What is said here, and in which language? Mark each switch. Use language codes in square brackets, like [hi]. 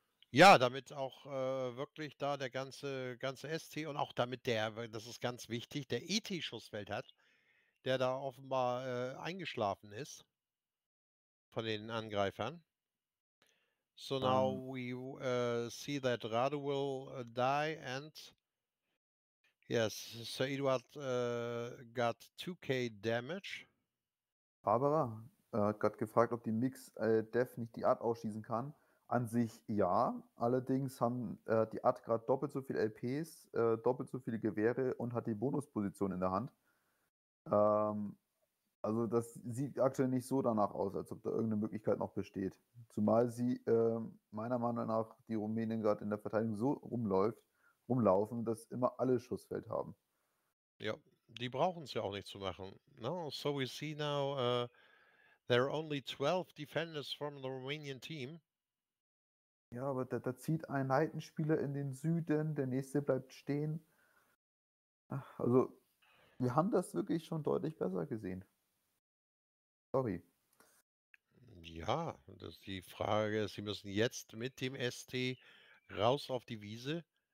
[de] Ja, damit auch wirklich da der ganze ST und auch damit der, das ist ganz wichtig, der ET-Schussfeld hat, der da offenbar eingeschlafen ist von den Angreifern. [en] So now we see that Radu will die, and yes, so Eduard got 2k damage. [de] Barbara hat gerade gefragt, ob die Mix Def nicht die Art ausschießen kann. An sich ja, allerdings haben die Art gerade doppelt so viele LPs, doppelt so viele Gewehre und hat die Bonusposition in der Hand. Also das sieht aktuell nicht so danach aus, als ob da irgendeine Möglichkeit noch besteht. Zumal sie meiner Meinung nach die Rumänen gerade in der Verteidigung so rumlaufen, dass immer alle Schussfeld haben. Ja, die brauchen es ja auch nicht zu machen. [en] No, so we see now there are only 12 defenders from the Romanian team. [de] Ja, aber da zieht ein Heidenspieler in den Süden, der nächste bleibt stehen. Ach, also wir haben das wirklich schon deutlich besser gesehen. Sorry. Ja, das ist die Frage. Sie müssen jetzt mit dem ST raus auf die Wiese.